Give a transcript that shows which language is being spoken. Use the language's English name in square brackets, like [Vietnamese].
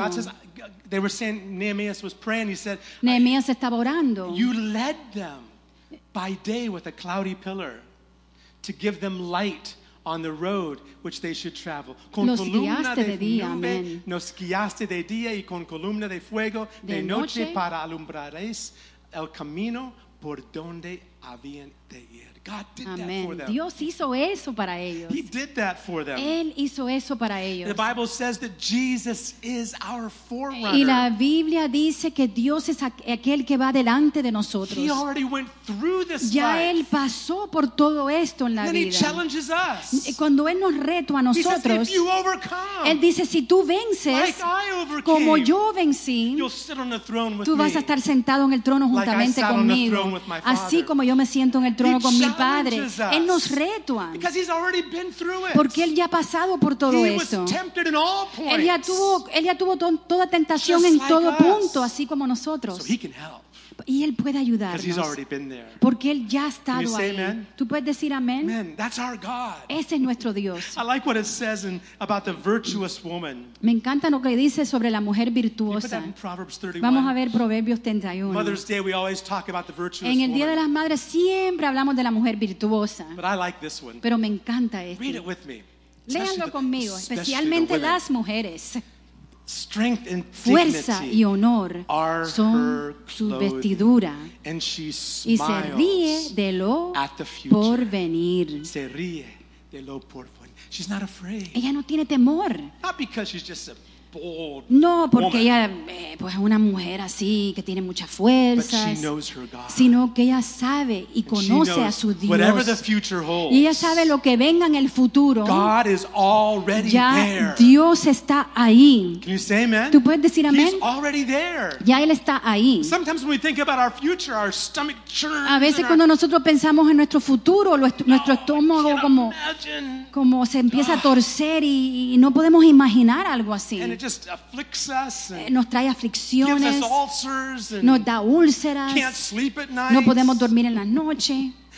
[English] God says, they were saying Nehemiah was praying. He said, [Spanish] Nehemías estaba orando. [English] You led them by day with a cloudy pillar to give them light on the road which they should travel. [Spanish] Con los columna guiaste de día, nube, nos guiaste de día y con columna de fuego de noche para alumbrarles el camino por donde habían de ir. [English] God did amen. That for them. [Spanish] Dios hizo eso para ellos. [English] He did that for them. [Spanish] Él hizo eso para ellos. [English] The Bible says that Jesus is our forerunner. [Spanish] Y la Biblia dice que Dios es aquel que va delante de nosotros. [English] He already went through this life. [Spanish] Ya él pasó por todo esto en la [English] and [Spanish] vida. [English] And he challenges us. [Spanish] Cuando él nos reta a nosotros, [English] he says, if you overcome, [Spanish] él dice si tú vences, [English] like I overcame, [Spanish] como yo vencí, [English] you'll sit on the throne with [Spanish] tú vas a estar sentado en el trono juntamente [English] like [Spanish] conmigo, así como yo me siento en el trono [English] he [Spanish] conmigo. Padre, Él nos reta porque Él ya ha pasado por todo esto. Él ya tuvo toda tentación [English] just [Spanish] en todo [English] like [Spanish] punto [English] us. [Spanish] Así como nosotros, [English] so he can help. [Spanish] y él puede ayudarnos. [English] He's already been there. [Spanish] Porque él ya ha estado ahí. Amen? Tú puedes decir amén. [English] Amen. That's our God. [Spanish] Ese es nuestro Dios. [English] I like what it says in, about the virtuous woman. [Spanish] Me encanta lo que dice sobre la mujer virtuosa. Vamos a ver Proverbios 31. [English] Mother's Day, we always talk about the virtuous [Spanish] en el Día [English] woman. [Spanish] De las Madres siempre hablamos de la mujer virtuosa. [English] But I like this one. [Spanish] Pero me encanta este. [English] Read it with me. [Spanish] Léanlo conmigo, especialmente las mujeres. [English] Strength and dignity [Spanish] fuerza y honor son su vestidura [English] and she [Spanish] y se ríe de lo por venir. Se ríe de lo por venir. [English] She's not afraid. [Spanish] Ella no tiene temor. [English] Not because she's just a bold [Spanish] no, porque [English] woman. [Spanish] Ella pues, es una mujer así que tiene mucha fuerza, [English] but she knows her God. [Spanish] Sino que ella sabe y [English] and [Spanish] conoce a su Dios. [English] Whatever the future holds, [Spanish] y ella sabe lo que venga en el futuro. [English] God is already [Spanish] ya [English] there. [Spanish] Dios está ahí. [English] Can you say amen? [Spanish] ¿Tú puedes decir amén? [English] He's already there. [Spanish] Ya Él está ahí. [English] Sometimes when we think about our future, our stomach churns. [Spanish] A veces cuando nosotros pensamos en nuestro futuro, nuestro estómago como se empieza a torcer y no podemos imaginar algo así. [English] Just afflicts us and [Spanish] nos trae aflicciones, [English] gives us ulcers and [Spanish] nos da úlceras, [English] can't sleep at night. [Spanish] No podemos dormir en la noche.